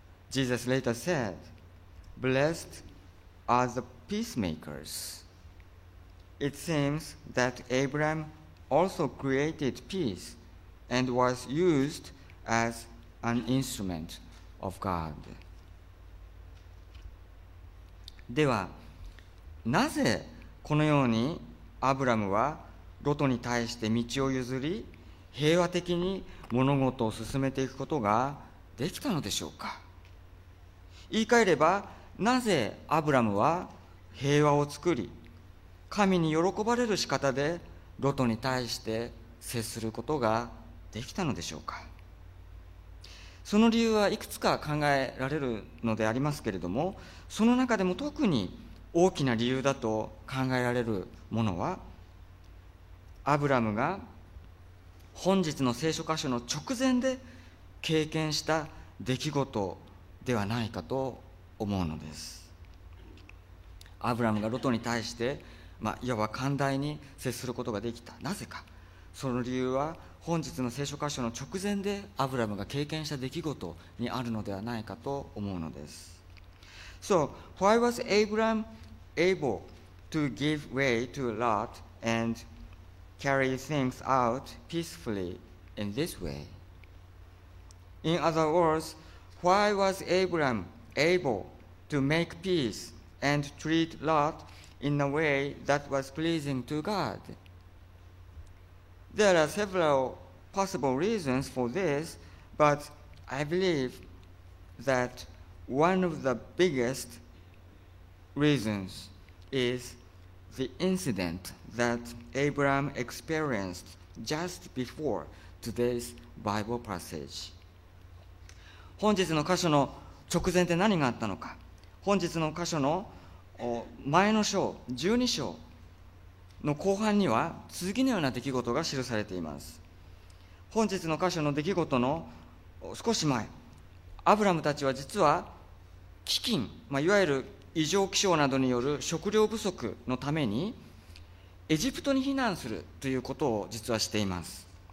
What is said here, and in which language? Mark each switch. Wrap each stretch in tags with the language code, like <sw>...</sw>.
<en>Jesus later said, "Blessed are the peacemakers." It seems that Abraham also created peace and was used as an instrument of God.</en> <ja>では、なぜこのようにアブラムはロトに対して道を譲り、平和的に物事を進めていくことができたのでしょうか。言い換えれば、なぜアブラムは平和を作り、神に喜ばれる仕方でロトに対して接することができたのでしょうか。その理由はいくつか考えられるのでありますけれども、その中でも特に大きな理由だと考えられるものは、アブラムが本日の聖書箇所の直前で経験した出来事ではないかと思うのです。アブラムがロトに対して、いわば寛大に接することができた。なぜか。その理由は本日の聖書箇所の直前でアブラムが経験した出来事にあるのではないかと思うのです。</ja> <en>So, why was Abraham able to give way to Lot and carry things out peacefully in this way? In other words, why was Abraham able to make peace and treat Lot in a way that was pleasing to God? There are several possible reasons for this, but I believe that one of the biggest reasons is the incident that Abraham experienced just before today's Bible passage.</en> <ja>本日の箇所の直前で何があったのか。本日の箇所の前の章、12章の後半には次のような出来事が記されています。本日の箇所の出来事の少し前、アブラムたちは実は飢饉、いわゆる異常気象などによる食料不足のためにエジプトに避難するということを実はしています。</ja>